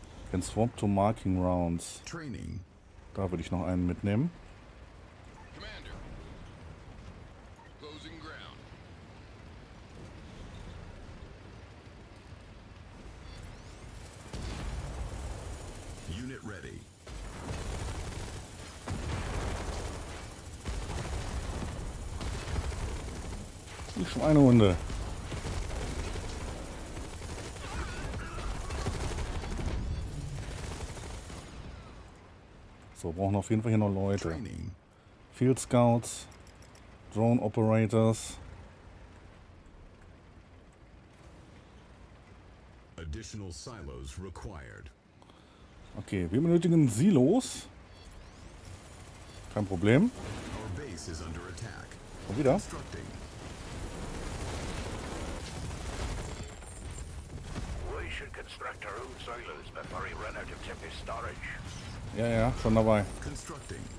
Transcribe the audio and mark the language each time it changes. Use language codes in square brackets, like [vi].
[en] Can swap to marking rounds. Training. [de] Da würde ich noch einen mitnehmen. [en] Commander. Closing ground. Unit ready. [de] Die Schweinehunde. So, brauchen auf jeden Fall hier noch Leute. [en] Field Scouts, Drone Operators. Additional silos required. [de] Okay, wir benötigen Silos. Kein Problem. [en] Our base is under attack. [de] Und wieder. Ja, ja, schon dabei. [en] Constructing.